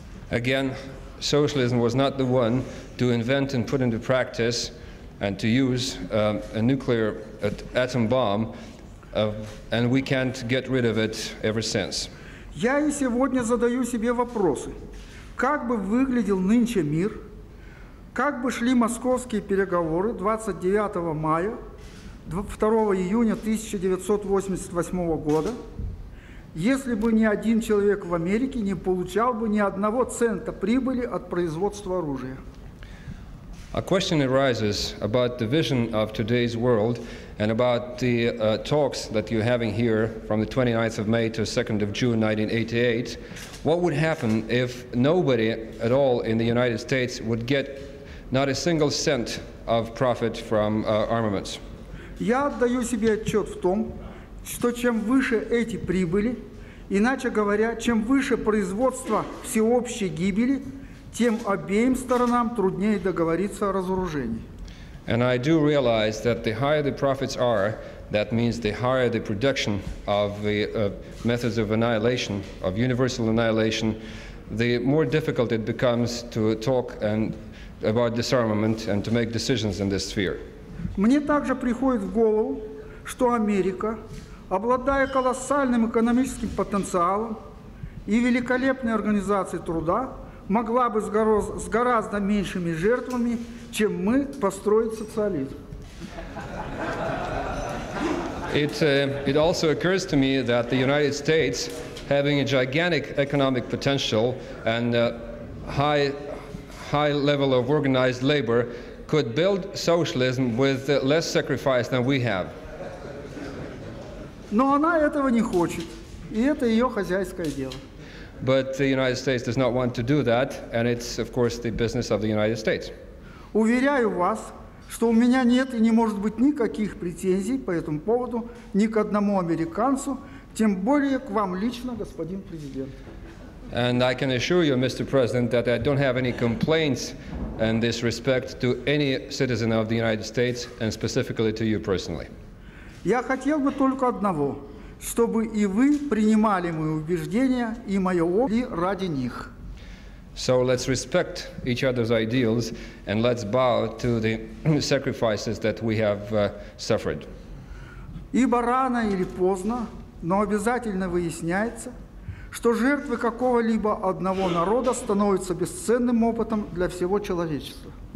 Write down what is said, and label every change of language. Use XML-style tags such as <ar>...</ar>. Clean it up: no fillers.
<en>Again, socialism was not the one to invent and put into practice and to use a nuclear atom bomb, and we can't get rid of it ever since.</en> <ru>Я и сегодня задаю себе вопросы. Как бы выглядел нынче мир, как бы шли московские переговоры 29 мая, 2 июня 1988 года, если бы ни один человек в Америке не получал бы ни одного цента прибыли от производства оружия?</ru> <en>A question arises about the vision of today's world and about the talks that you're having here from the 29th of May to 2nd of June 1988. What would happen if nobody at all in the United States would get not a single cent of profit from armaments?</en> <ru>Я отдаю себе отчет в том, что чем выше эти прибыли, иначе говоря, чем выше производство всеобщей гибели, тем обеим сторонам труднее договориться о разоружении.</ru> <en>And I do realize that the higher the profits are, that means the higher the production of the methods of annihilation, of universal annihilation, the more difficult it becomes to talk and about disarmament and to make decisions in this sphere.</en> <ru>Мне также приходит в голову, что Америка, обладая колоссальным экономическим потенциалом и великолепной организацией труда, могла бы с гораздо меньшими жертвами, чем мы, построить социализм.</ru> <en>It also occurs to me that the United States, having a gigantic economic potential and a high level of organized labor, could build socialism with less sacrifice than we have.</en> <ru>Но она этого не хочет, и это ее хозяйское дело.</ru> <en>But the United States does not want to do that, and it's, of course, the business of the United States.</en> <ru>Уверяю вас, что у меня нет и не может быть никаких претензий по этому поводу ни к одному американцу, тем более к вам лично, господин президент.</ru> <en>And I can assure you, Mr. President, that I don't have any complaints in this respect to any citizen of the United States, and specifically to you personally.</en> <ru>Я хотел бы только одного, чтобы и вы принимали мои убеждения и мое опыт ради них.</ru> <en>So let's respect each other's ideals, and let's bow to the sacrifices that we have suffered.</en> <ru>Ибо рано или поздно, но обязательно выясняется, что жертвы какого-либо одного народа становятся бесценным опытом для всего человечества.</ru>